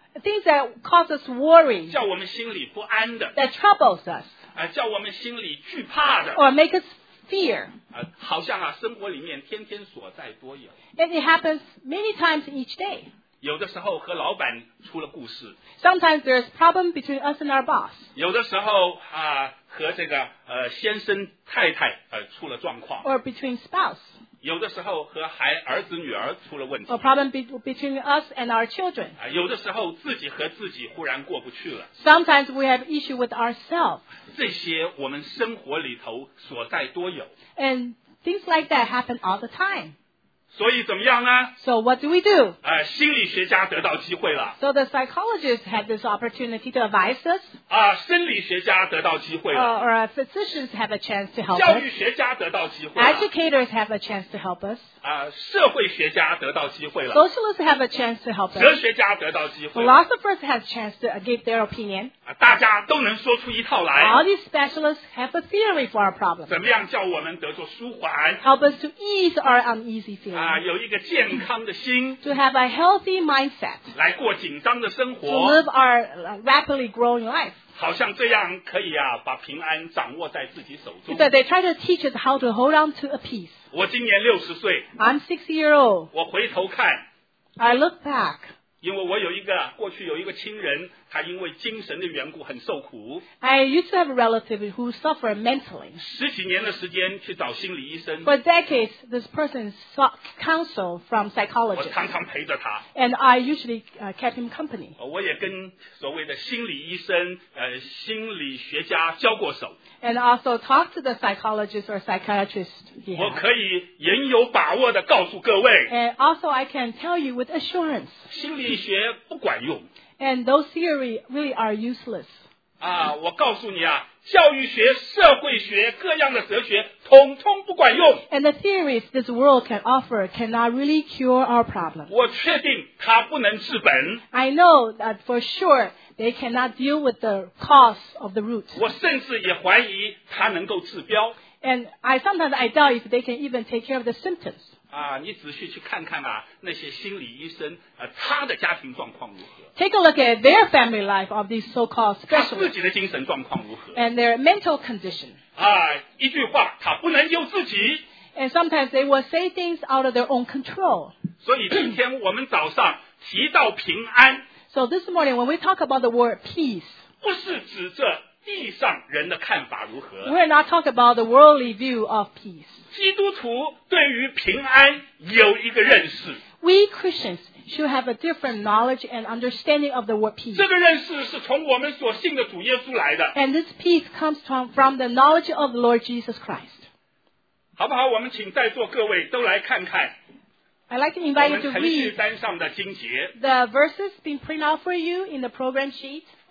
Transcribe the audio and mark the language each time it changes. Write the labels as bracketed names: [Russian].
[English] Things that cause us worry. [Chinese] 叫我们心里不安的。 [English] That troubles us. [Chinese] 叫我们心里惧怕的。 [English] Or make us fear. [Chinese] 好像啊，生活里面天天所在多有。 [English] And it happens many times each day. [Chinese] 有的时候和老板出了故事。 [English] Sometimes there's problem between us and our boss. [Chinese] 有的时候啊。和这个先生太太出了状况。 [English] Or between spouse. [Chinese] 有的时候和儿子女儿出了问题。 [English] Or problem between us and our children. [Chinese] 有的时候自己和自己忽然过不去了。 [English] Sometimes we have issue with ourselves. [Chinese] 这些我们生活里头所在多有。 [English] And things like that happen all the time. [Chinese] 所以怎么样呢？ [English] So what do we do? [Chinese] 心理学家得到机会了。 [English] So the psychologist had this opportunity to advise us. [Chinese] 心理学家得到机会了。 [English] Or our physicians have a chance to help us. [Chinese] 教育学家得到机会了。 [English] Educators have a chance to help us. [Chinese] 社会学家得到机会了。 [English] Socialists have a chance to help us. [Chinese] 哲学家得到机会了。 [English] Philosophers have a chance to give their opinion. [Chinese] 大家都能说出一套来。 [English] All these specialists have a theory for our problem. [Chinese] 怎么样叫我们得做舒缓？ [English] Help us to ease our uneasy feeling. [Chinese] 有一个健康的心。 [English] To have a healthy mindset. [Chinese] 来过紧张的生活。 [English] To live our rapidly growing life. [Chinese] 好像这样可以啊，把平安掌握在自己手中。 [English] 对 ，They try to teach us how to hold on to a peace. [Chinese] 我今年60岁。 [English] I'm 60 years old. [Chinese] 我回头看。 [English] I look back. [Chinese] 因为我有一个过去有一个亲人，他因为精神的缘故很受苦。 [English] I used to have a relative who suffered mentally. [Chinese] 十几年的时间去找心理医生。 [English] For decades, this person sought counsel from psychologists. [Chinese] 我常常陪着他。 [English] And I usually kept him company. [Chinese] 我也跟所谓的心理医生、心理学家交过手。 [English] And also talked to the psychologist or psychiatrist. [Chinese] 我可以言有把握地告诉各位。 [English] And also I can tell you with assurance. [Chinese] 心理学不管用。 [English] And those theories really are useless. [Chinese] 我告诉你啊，教育学、社会学、各样的哲学统统不管用。 [English] And the theories this world can offer cannot really cure our problem. [Chinese] 我确定它不能治本。 [English] I know that for sure they cannot deal with the cause of the root. [Chinese] 我甚至也怀疑它能够治标。 [English] And I sometimes doubt if they can even take care of the symptoms. [Chinese] 啊，你仔细去看看啊，那些心理医生，他的家庭状况如何？ [English] Take a look at their family life of these so-called specialists. [Chinese] 他自己的精神状况如何？ [English] And their mental condition. [Chinese] 啊，一句话，他不能救自己。 [English] And sometimes they will say things out of their own control. [Chinese] 所以今天我们早上提到平安。 [English] So this morning when we talk about the word peace. [Chinese] 不是指这地上人的看法如何。 [English] We're not talking about the worldly view of peace. [Chinese] 基督徒对于平安有一个认识。 [English] We Christians should have a different knowledge and understanding of the word peace. [Chinese] 这个认识是从我们所信的主耶稣来的。 [English] And this peace comes from the knowledge of the Lord Jesus Christ. [Chinese] 好不好，我们请在座各位都来看看。 [English] I'd like to invite you to read the verses being printed out for you in the program sheet.